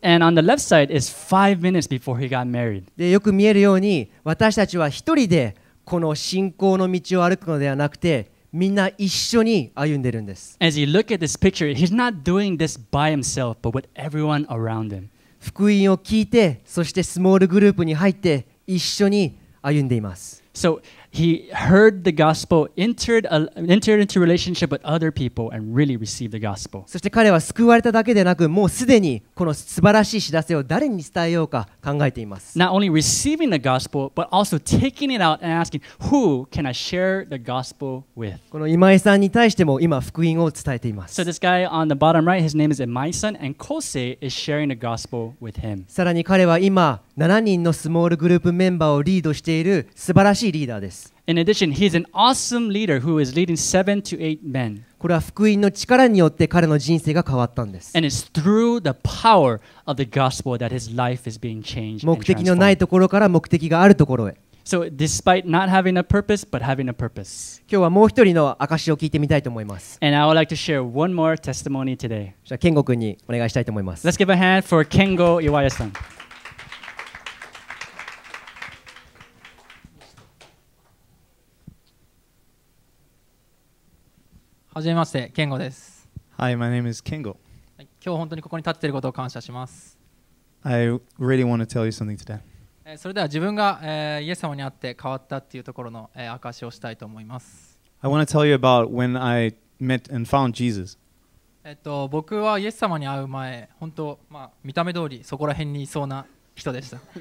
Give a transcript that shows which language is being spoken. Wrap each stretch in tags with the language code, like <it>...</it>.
<en>And on the left side is 5 minutes before he got married.</en> <ja>で、よく見えるように、私たちは一人でこの信仰の道を歩くのではなくて、みんな一緒に歩んでるんです。</ja> <en>As you look at this picture, he's not doing this by himself, but with everyone around him.</en> <ja>福音を聞いて、そしてスモールグループに入って、一緒に歩んでいます。</ja> <en>So,He heard the gospel, entered into relationship with other people, and really received the gospel.</en> <ja>そして彼は救われただけでなく、もうすでにこの素晴らしい知らせを誰に伝えようか考えています。</ja> <en>Not only receiving the gospel, but also taking it out and asking, who can I share the gospel with?</en> <ja>この今井さんに対しても今福音を伝えています。</ja> <en>So this guy on the bottom right, his name is Imai-san, and Kosei is sharing the gospel with him.</en> <ja>さらに彼は今7人のスモールグループメンバーをリードしている素晴らしいリーダーです。</ja> <en>In addition, he's an awesome leader who is leading 7 to 8 men.</en> <ja>これは福音の力によって彼の人生が変わったんです。</ja> <en>And it's through the power of the gospel that his life is being changed.</en> <ja>目的のないところから目的があるところへ。</ja> <en>So despite not having a purpose, but having a purpose.</en> <ja>今日はもう一人の証を聞いてみたいと思います。</ja> <en>And I would like to share one more testimony today.</en> <ja>じゃあ健吾君にお願いしたいと思います。</ja> <en>Let's give a hand for Kengo Iwaya-san.</en> <ja>はじめまして、ケンゴです。</ja> <en>Hi, my name is Kengo.</en> <ja>今日本当にここに立っていることを感謝します。</ja> <en>I really want to tell you something today.</en> <ja>それでは自分が、イエス様に会って変わったっていうところの、証しをしたいと思います。</ja> <en>I want to tell you about when I met and found Jesus.</en> <ja>僕はイエス様に会う前、本当、まあ、見た目通りそこら辺にいそうな人でした。</ja>